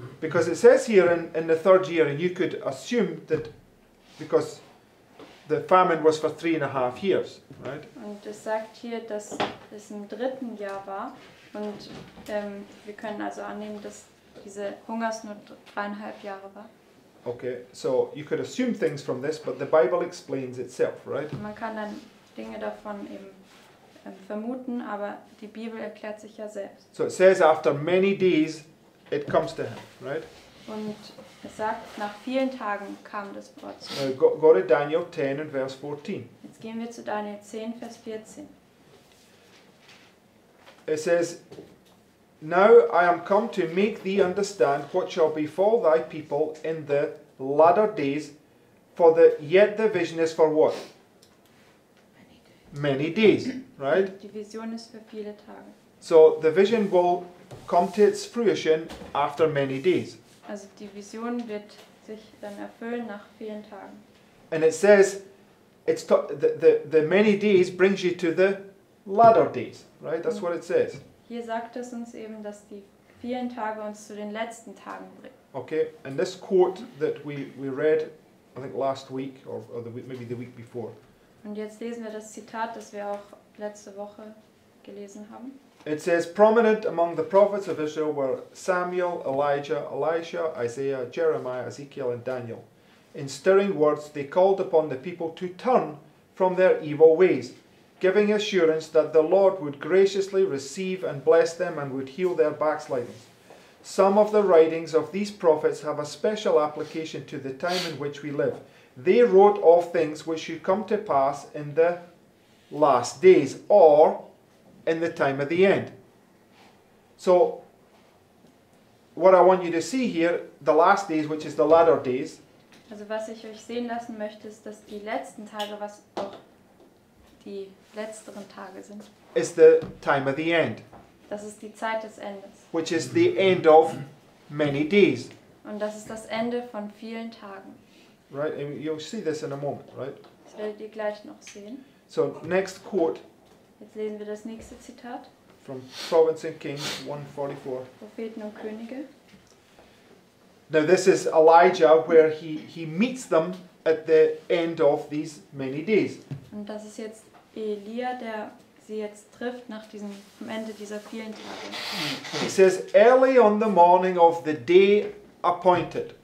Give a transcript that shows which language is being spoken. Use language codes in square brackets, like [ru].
[en] Because it says here in the third year, and you could assume that because the famine was for 3.5 years, right? [de] Und es sagt hier, dass es im dritten Jahr war. Und wir können also annehmen, dass diese Hungersnot 3.5 Jahre war. [en] Okay, so you could assume things from this, but the Bible explains itself, right? [de] Man kann dann Dinge davon eben vermuten, aber die Bibel erklärt sich ja selbst. [en] So it says after many days it comes to him, right? [de] Und es sagt, nach vielen Tagen kam das Wort zu ihm. [en] Go to Daniel 10 and verse 14. [de] Jetzt gehen wir zu Daniel 10, Vers 14. [en] It says, now I am come to make thee understand what shall befall thy people in the latter days, for the yet the vision is for what? Many days, right? [de] Die Vision ist für viele Tage. [en] So the vision will come to its fruition after many days. [de] Also die Vision wird sich dann erfüllen nach vielen Tagen. [en] And it says, it's the many days brings you to the latter days, right? That's what it says. [de] Hier sagt es uns eben, dass die vielen Tage uns zu den letzten Tagen bringen. [en] Okay, and this quote that we read, I think last week or the week, maybe the week before. [de] Und jetzt lesen wir das Zitat, das wir auch letzte Woche gelesen haben. [en] It says, prominent among the prophets of Israel were Samuel, Elijah, Elisha, Isaiah, Jeremiah, Ezekiel and Daniel. In stirring words, they called upon the people to turn from their evil ways, giving assurance that the Lord would graciously receive and bless them and would heal their backslidings. Some of the writings of these prophets have a special application to the time in which we live. They wrote of things which should come to pass in the last days or in the time of the end. So, what I want you to see here, the last days, which is the latter days. [de] Also, was ich euch sehen lassen möchte, ist, dass die letzten Tage, was auch die letzteren Tage sind, [en] is the time of the end. [de] Das ist die Zeit des Endes. [en] Which is the end of many days. [de] Und das ist das Ende von vielen Tagen. [en] Right, and you'll see this in a moment, right? [de] Das werdet ihr gleich noch sehen. [en] So, next quote. [de] Jetzt lesen wir das nächste Zitat. [en] From Prophets and Kings 144. [de] Propheten und Könige. [en] Now this is Elijah, where he meets them at the end of these many days. [de] Und das ist jetzt Elia, der sie jetzt trifft nach diesem am Ende dieser vielen Tage. [en] He says, early on the morning of the day appointed.